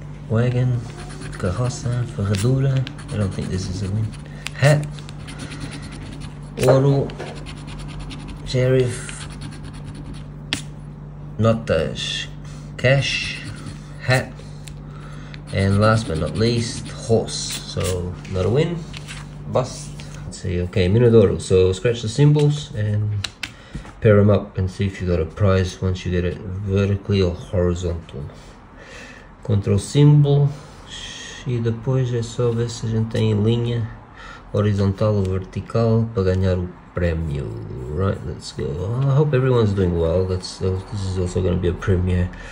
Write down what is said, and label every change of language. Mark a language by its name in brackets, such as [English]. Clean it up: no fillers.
[English] wagon, carroça, ferradura, I don't think this is a win, hat, ouro, sheriff, notas, cash, hat, and last but not least, horse. So, not a win, bust. Let's see, okay, Minotauro. So, scratch the symbols and pair them up and see if you got a prize once you get it vertically or horizontal. Control symbol, [Portuguese] e depois é só ver se a gente tem em linha, horizontal ou vertical, para ganhar o prémio. [English] Right, let's go. Well, I hope everyone's doing well. This is also going to be a premiere.